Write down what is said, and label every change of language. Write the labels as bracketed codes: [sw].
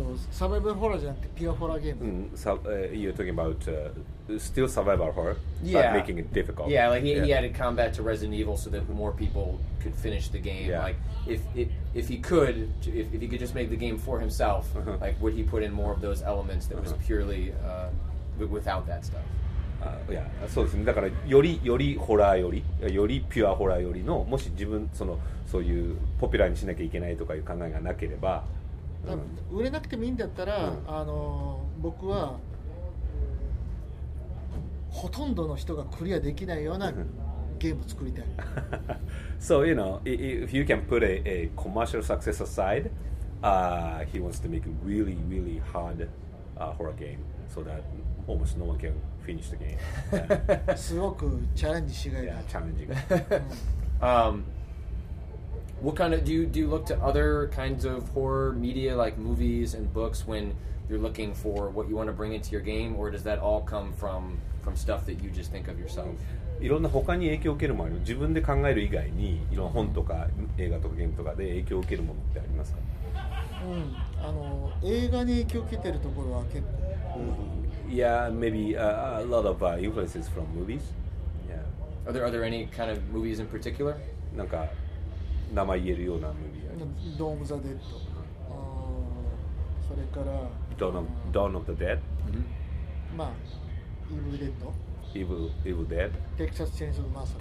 [ja] サバイバルホラーじゃなくてピュアホラーゲーム、 [en] You're talking about still survival horror, yeah, but making it difficult. Yeah, like he added combat to Resident Evil so that more people could finish the game. Yeah. Like if he could just make the game for himself, uh-huh. like would he put in more of those elements that uh-huh. was purely without that stuff? [ja] Yeah, そうですね。だからよりホラーより、よりピュアホラーよりの、もし自分そのそういうポピュラーにしなきゃいけないとかいう考えがなければ、売れなくてもいいんだったら、うん、あの僕は、ほとんどの人がクリアできないようなゲームを作りたい。 [en] So, you know, if you can put a commercial success aside, he wants to make a really, really hard horror game so that almost no one can finish the game. [ja] すごくチャレンジしがいが。チャレンジが。 [en] What kind of do you look to other kinds of horror media like movies and books when you're looking for what you want to bring into your game, or does that all come from stuff that you just think of yourself? [ja] いろんな他に影響を受けるものある。自分で考える以外に、いろんな本とか映画とかゲームとかで影響を受けるものってありますか？あの、映画に影響を受けてるところは結構。 [en] Yeah, maybe a lot of influences from movies. Yeah. Are there any kind of movies in particular? [ja] なんか名前言えるようなムービー、ドームザデッド、それから [en] Dawn of the Dead、 [ja] まあイブデッド、イブデッド、テキサスチェンソーマサカ、